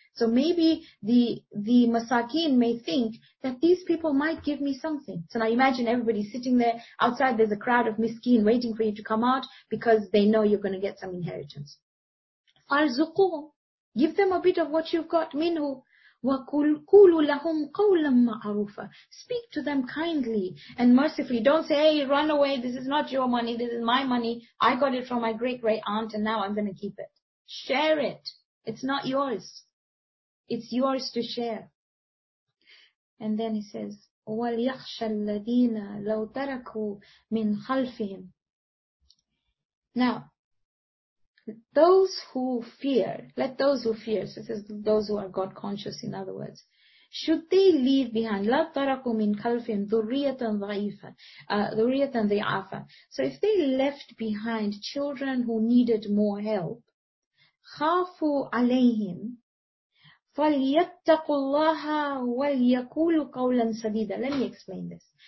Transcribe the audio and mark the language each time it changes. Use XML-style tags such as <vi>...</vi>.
<en>So maybe the masakin may think that these people might give me something. So now imagine everybody sitting there. Outside there's a crowd of miskeen waiting for you to come out because they know you're going to get some inheritance. Farzuqu, Give them a bit of what you've got.</en> <ar>Minhu وَقُولُ لَهُمْ قَوْلًا مَعْرُوفًا.</ar> <en>Speak to them kindly and mercifully. Don't say, hey, run away. This is not your money. This is my money. I got it from my great-great aunt and now I'm going to keep it. Share it. It's not yours. It's yours to share. And then he says,</en> <ar>وَلْيَخْشَ الَّذِينَ لَوْ تَرَكُوا مِنْ خَلْفِهِمْ.</ar> <en>Now, those who fear, let those who fear, so this is those who are God conscious, in other words, should they leave behind,</en> <ar>لَوْ تَرَكُوا مِنْ خَلْفِهِمْ ذُرِّيَّةً ضَعِيفًا, ذُرِّيَّةً ضَعِيفًا.</ar> <en>So if they left behind children who needed more help,</en> <ar>خَافُوا عَلَيْهِمْ فَلْيَتَّقُوا اللَّهَ وَلْيَكُولُوا قَوْلًا سَدِيدًا.</ar> <en>Let me explain this.</en>